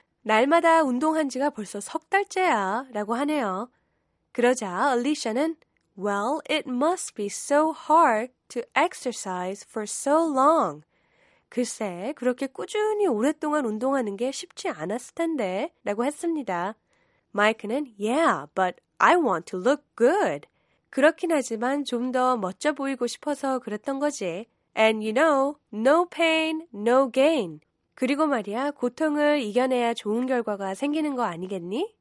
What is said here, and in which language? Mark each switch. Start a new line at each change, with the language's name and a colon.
Korean: 날마다 운동한 지가 벌써 석 달째야 라고 하네요. 그러자 얼리샤는,
English: Well, it must be so hard to exercise for so long.
Korean: 글쎄, 그렇게 꾸준히 오랫동안 운동하는 게 쉽지 않았을 텐데 라고 했습니다.
English: 마이크는, Yeah, but I want to look good.
Korean: 그렇긴 하지만 좀 더 멋져 보이고 싶어서 그랬던 거지.
English: And you know, no pain, no gain.
Korean: 그리고 말이야, 고통을 이겨내야 좋은 결과가 생기는 거 아니겠니?